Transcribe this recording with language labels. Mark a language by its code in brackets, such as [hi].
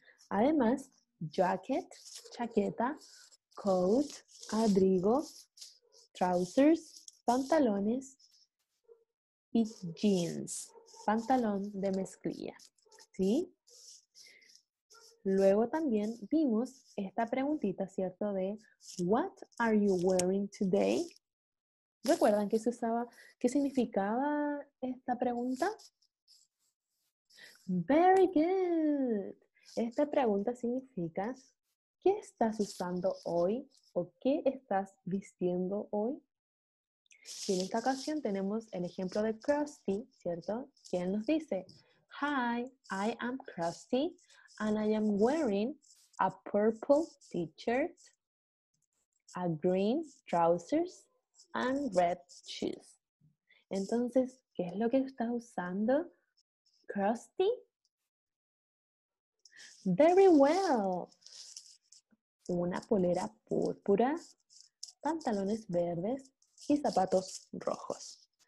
[es] Además, jacket, chaqueta, coat, abrigo, trousers, pantalones y jeans, pantalón de mezclilla. ¿Sí? Luego también vimos esta preguntita, ¿cierto? [en] De What are you wearing today? [es] ¿Recuerdan qué se usaba? ¿Qué significaba esta pregunta? [en] Very good. [es] Esta pregunta significa ¿qué estás usando hoy o qué estás vistiendo hoy? Y en esta ocasión tenemos el ejemplo de Krusty, ¿cierto? ¿Quién nos dice? [en] Hi, I am Krusty and I am wearing a purple t-shirt, a green trousers and red shoes. [es] Entonces, ¿qué es lo que está usando Krusty? [en] Very well. [es] Una polera púrpura, pantalones verdes y zapatos rojos.